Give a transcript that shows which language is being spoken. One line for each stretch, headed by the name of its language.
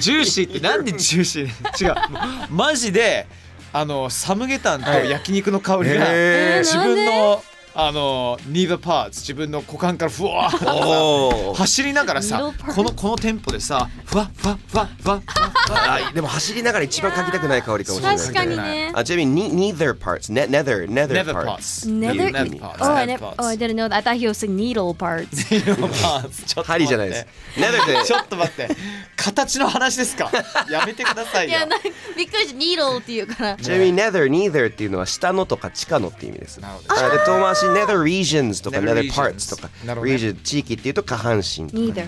Japanese: ジューシーってなんでジューシー。違う、マジで、あのサムゲタンと焼肉の香りが、はい、自分の、あのニーバーパーツ、自分の股間からふわーっと走りながらさ、このテンポでさ、ふわふわふわふわふわ。でも走りながら一番嗅ぎたくない香りかもしれない。確かにね。あ、ちなみにニーザーパーツ、ネザーパーツ、
English: ネザーパーツ、ネザーパーツ。 I didn't know that. I thought he was saying needle parts.
Japanese: ちょっと待って、針じゃないです。ちょっと待って、形の話ですか？やめてくださいよ。いや、なんかびっくりした、ニードルっていうから。ちなみにネザー、ニーザーっていうのは下のとか地下のって意味です。なるほど。あ、ネザーリージョンズとかネザーパーツとか、ね、リージョン、地域っていうと下半身とか、